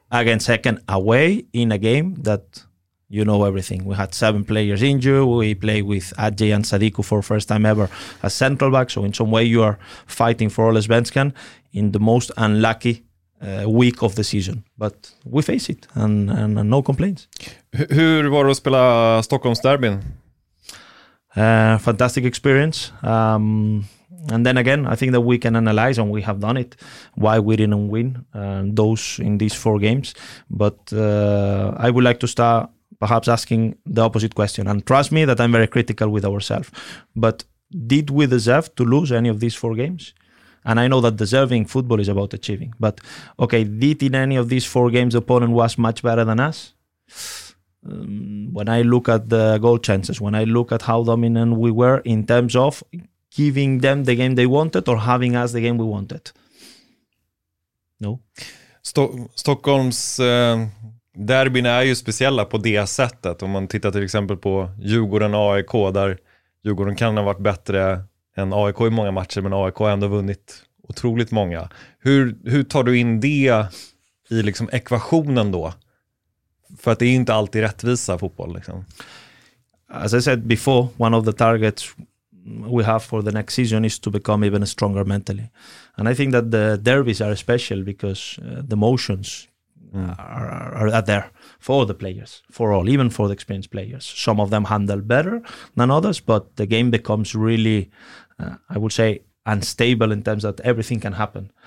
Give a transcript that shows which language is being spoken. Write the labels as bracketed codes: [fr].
[en] Against Häcken away in a game that you know everything. We had seven players injured. We play with Adjei and Sadiku for first time ever as central back. So in some way you are fighting for Ole Svenskan in the most unlucky week of the season. But we face it and no complaints. [sv] Hur var det att spela Stockholms derbyn? [en] Fantastic experience. And then again, I think that we can analyze, and we have done it, why we didn't win those in these four games. But I would like to start perhaps asking the opposite question. And trust me that I'm very critical with ourselves. But did we deserve to lose any of these four games? And I know that deserving football is about achieving. But, okay, did in any of these four games the opponent was much better than us? When I look at the goal chances, when I look at how dominant we were in terms of giving them the game they wanted or having us the game we wanted? No. [sv] Stockholms derbyn är ju speciella på det sättet. Om man tittar till exempel på Djurgården och AIK, där Djurgården kan ha varit bättre än AIK i många matcher, men AIK har ändå vunnit otroligt många. Hur tar du in det i liksom ekvationen då? För att det är ju inte alltid rättvisa fotboll liksom. [en] As I said before, one of the targets we have for the next season is to become even stronger mentally. And I think that the derbies are special because the emotions are there for the players, for all, even for the experienced players. Some of them handle better than others, but the game becomes really, I would say, unstable in terms that everything can happen.